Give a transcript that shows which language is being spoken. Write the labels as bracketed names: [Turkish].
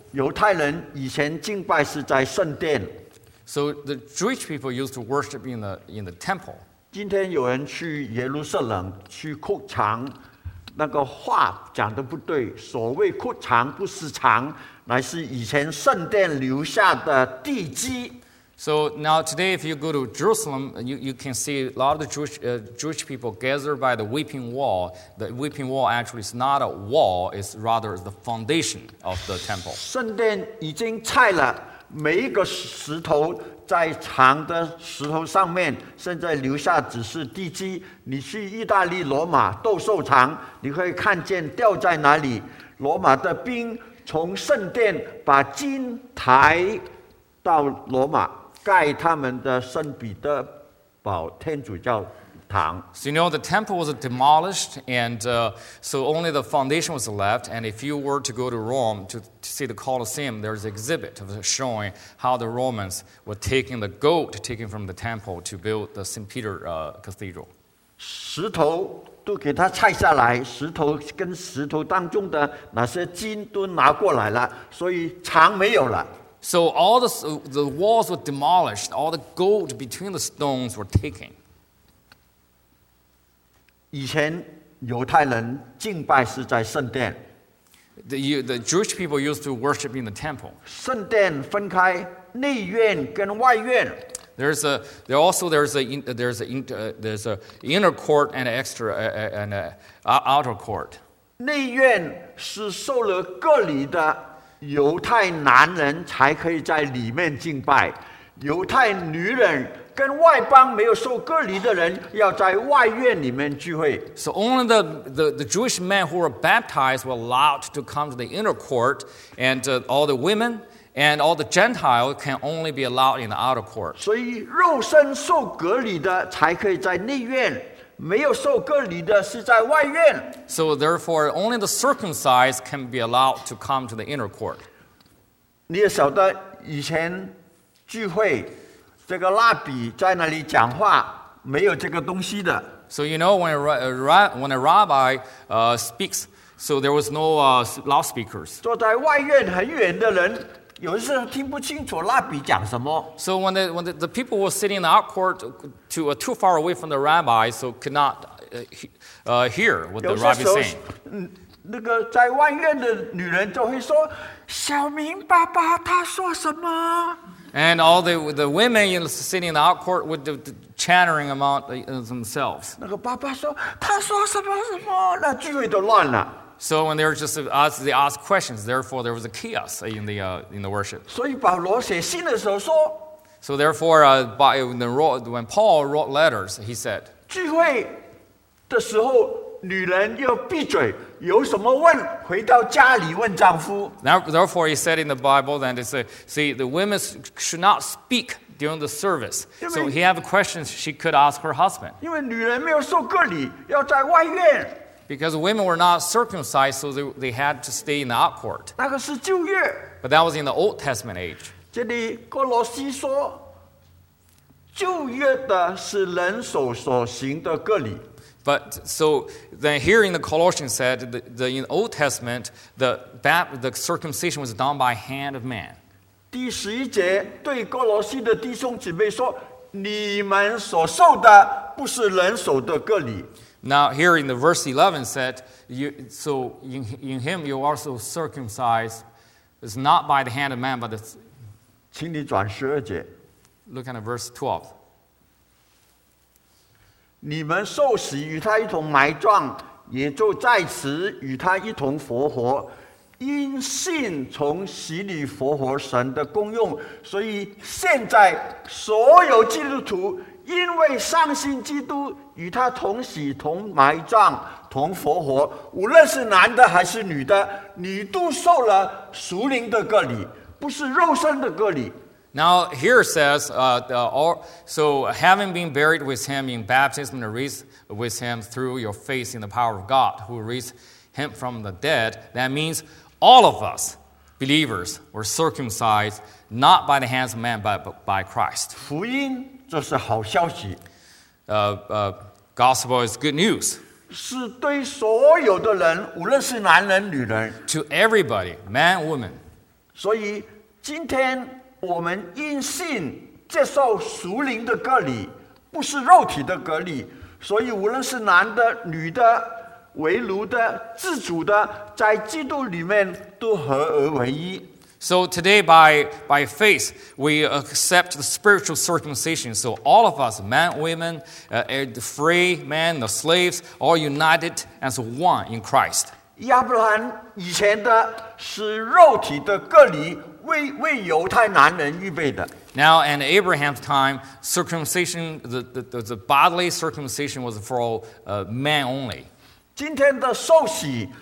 [Chinese] 犹太人以前敬拜是在圣殿。 [English] So the Jewish people used to worship in the temple. [Chinese] 今天有人去耶路撒冷去哭墙，那个话讲的不对。所谓哭墙不是墙，乃是以前圣殿留下的地基。 [English] So now today, if you go to Jerusalem, you can see a lot of the Jewish people gathered by the Weeping Wall. The Weeping Wall actually is not a wall; it's rather the foundation of the temple. [Chinese] 圣殿已经拆了，每一个石头。在墙的石头上面现在留下只是地基，你去意大利罗马斗兽场，你会看见吊在哪里，罗马的兵从圣殿把金抬到罗马盖他们的圣彼得堡天主教堂。 [English] So you know the temple was demolished and so only the foundation was left, and if you were to go to Rome to see the Colosseum, there's an exhibit of showing how the Romans were taking the gold taken from the temple to build the St. Peter Cathedral. [Chinese] 石头都给它拆下来，石头跟石头当中的那些金都拿过来了，所以墙没有了。 [English] So all the walls were demolished. All the gold between the stones were taken. [Chinese] 以前犹太人敬拜是在圣殿。 [English] The Jewish people used to worship in the temple. [Chinese] 圣殿分开内院跟外院。 [English] There's an inner court and an outer court. [Chinese] 内院是受了割礼的犹太男人才可以在里面敬拜，犹太女人跟外邦没有受割礼的人要在外院里面聚会。 [English] So only the Jewish men who were baptized were allowed to come to the inner court, and all the women and all the Gentiles can only be allowed in the outer court. [Chinese] 所以肉身受割礼的才可以在内院。没有受割礼的是在外院。 [English] So therefore, only the circumcised can be allowed to come to the inner court. [Chinese] 你也晓得以前聚会，这个蜡笔在那里讲话，没有这个东西的。 [English] So you know when a rabbi speaks, so there was no loudspeakers. [Chinese] 坐在外院很远的人。有时候听不清楚蜡笔讲什么。 [English] So when the people were sitting in the out court too far away from the rabbi, so could not hear what the rabbi is saying. [Chinese] 那个在外院的女人就会说：“小明爸爸他说什么？” [English] And all the women sitting in the out court would chattering among themselves. [Chinese] 那个爸爸说：“他说什么什么？” 那聚会都乱了。 [English] So when they were just asked, they asked questions, therefore there was a chaos in the worship. So therefore, when Paul wrote letters, he said, [Chinese] 聚会的时候女人要闭嘴，有什么问回到家里问丈夫。 [English] Now, therefore, he said in the Bible that they say, see, the women should not speak during the service. So he had questions she could ask her husband. [Chinese] 因为女人没有受割礼，要在外院。 [English] Because women were not circumcised, so they had to stay in the out court. [Chinese] 那个是旧约。 [English] But that was in the Old Testament age. [Chinese] 这里哥罗西说，旧约的是人手所行的割礼。 [English] But so then here in the Colossians said, in the Old Testament, the circumcision was done by hand of man. [Chinese] 第十一节对哥罗西的弟兄姊妹说，你们所受的不是人手的割礼。 [English] Now, here in the verse 11 said, in him you are also circumcised. It's not by the hand of man, but it's... [Chinese] 请你转十二节。 [English] Look at verse 12. [Chinese] 你们受死与他一同埋葬，也就在此与他一同复活，因信从死里复活神的功用。所以现在所有基督徒因为相信基督，与他同死、同埋葬、同复活，无论是男的还是女的，你都受了属灵的割礼，不是肉身的割礼。 [English] Now here says, so having been buried with him in baptism and raised with him through your faith in the power of God who raised him from the dead, that means all of us believers were circumcised not by the hands of man but by Christ. [Chinese] 福音这是好消息。 [English] Gospel is good news. [Chinese] 是对所有的人，无论是男人女人。 [English] To everybody, man, woman. [Chinese] 所以今天我们因信接受属灵的割礼，不是肉体的割礼。所以无论是男的、女的、为奴的、自主的，在基督里面都合而为一。 [English] So today, by faith, we accept the spiritual circumcision. So all of us, men, women, the free men, the slaves, all united as one in Christ. [Chinese] 亚伯兰以前的是肉体的割礼，为犹太男人预备的。 [English] Now, in Abraham's time, circumcision, the bodily circumcision was for men only. [Chinese] 今天的受洗。